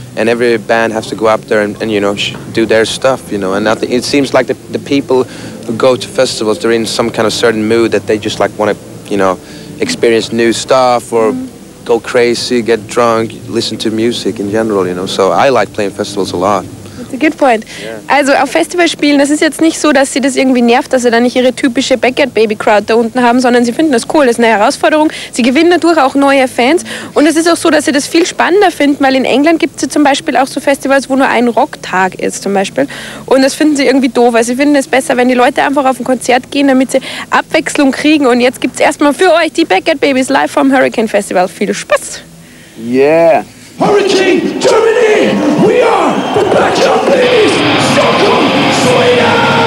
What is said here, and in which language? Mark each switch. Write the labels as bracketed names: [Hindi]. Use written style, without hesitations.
[English] And every band has to go up there and you know, do their stuff, you know. And it seems like the people who go to festivals, they're in some kind of certain mood that they just like want to, you know, experience new stuff or go crazy, get drunk, listen to music in general, you know. So I like playing festivals a lot. That's a good point. Yeah. [German] Also auf Festivals spielen, das ist jetzt nicht so, dass sie das irgendwie nervt, dass sie da nicht ihre typische Backyard Baby Crowd da unten haben, sondern sie finden das cool, das ist eine Herausforderung. Sie gewinnen dadurch auch neue Fans und es ist auch so, dass sie das viel spannender finden, weil in England gibt es zum Beispiel auch so Festivals, wo nur ein Rocktag ist zum Beispiel und das finden sie irgendwie doof, weil sie finden es besser, wenn die Leute einfach auf ein Konzert gehen, damit sie Abwechslung kriegen und jetzt gibt es erstmal für euch die Backyard Babies live vom Hurricane Festival. Viel Spaß! [English] Yeah! Hurricane Germany! We are the Backyard Babies! Stockholm, Sweden!